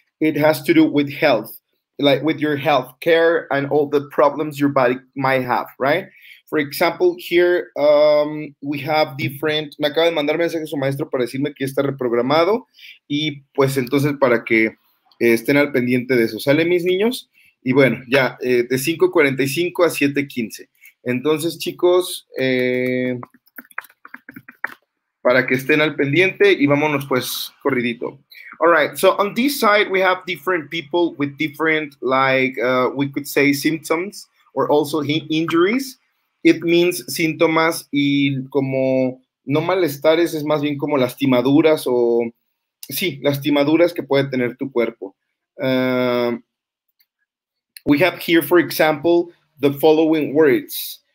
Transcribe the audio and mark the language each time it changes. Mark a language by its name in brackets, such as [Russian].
[English] It has to do with health, like with your health care and all the problems your body might have, right? For example, here we have different, [Spanish] me acaba de mandar mensaje a su maestro para decirme que está reprogramado y pues entonces para que estén al pendiente de eso. ¿Sale, mis niños? Y bueno, ya, de 5:45 a 7:15. Entonces, chicos, para que estén al pendiente y vámonos, pues, corridito. [English] All right, so on this side, we have different people with different, like, we could say symptoms or also injuries. It means [Spanish] síntomas y como no malestares, es más bien como lastimaduras o, sí, lastimaduras que puede tener tu cuerpo. [English] We have here, for example, the following words.